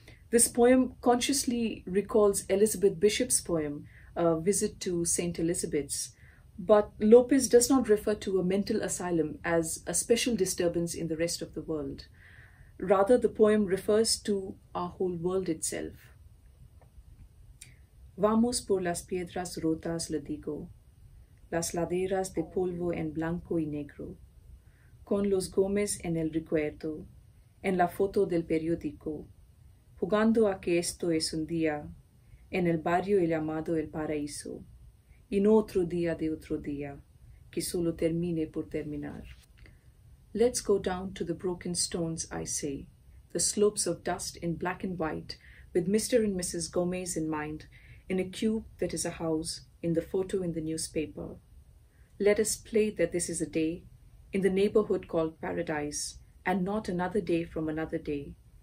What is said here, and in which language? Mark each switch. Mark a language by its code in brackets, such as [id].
[en] This poem consciously recalls Elizabeth Bishop's poem, A Visit to St. Elizabeth's, but Lopez does not refer to a mental asylum as a special disturbance in the rest of the world. Rather, the poem refers to our whole world itself. [es] Vamos por las piedras rotas, le digo, las laderas de polvo en blanco y negro, con los gómez en el recuerdo, en la foto del periódico, jugando a que esto es un día, en el barrio llamado El Paraíso, y no otro día de otro día, que solo termine por terminar. [en] Let's go down to the broken stones, I say, the slopes of dust in black and white, with Mr. and Mrs. Gomez in mind, in a cube that is a house, in the photo in the newspaper. Let us play that this is a day, in the neighborhood called paradise, and not another day from another day.